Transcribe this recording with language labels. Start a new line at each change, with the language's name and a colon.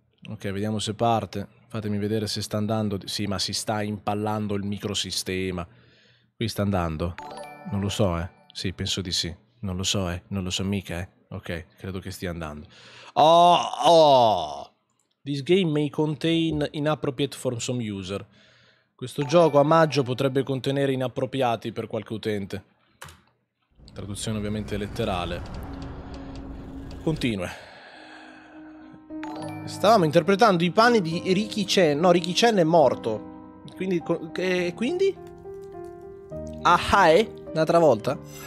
Italian: Ok, vediamo se parte. Fatemi vedere se sta andando. Sì, ma si sta impallando il microsistema. Qui sta andando? Non lo so, Sì, penso di sì. Non lo so, Non lo so mica, Ok, credo che stia andando. Oh, oh!
English: This game may contain inappropriate for some user.
Italian: Questo gioco a maggio potrebbe contenere inappropriati per qualche utente. Traduzione ovviamente letterale.
English: Continue.
Italian: Stavamo interpretando i panni di Ricky Chen. No, Ricky Chen è morto. Quindi... quindi? Ah, hai? Un'altra volta?